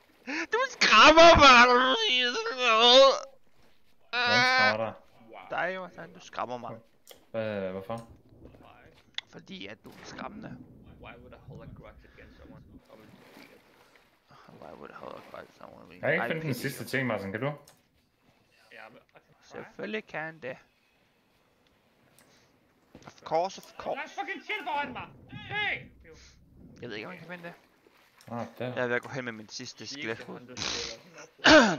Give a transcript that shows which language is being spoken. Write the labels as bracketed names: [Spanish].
[Danish] Du skræmmer mig, du siger sådan noget! Hvem svarer dig? Du skræmmer mig. Hvorfor? Fordi at du er skræmmende. [English] Why would I hold a grudge against someone? Why would I hold a grudge against someone? [Danish] Jeg kan ikke finde den sidste ting, Martin, kan du? Selvfølgelig kan det. [English] Of course. [Danish] Der er fucking chill foran mig! Hey! Jeg ved ikke, om jeg kan finde det. Ah, jeg er ved at gå hen med min sidste skelethoved.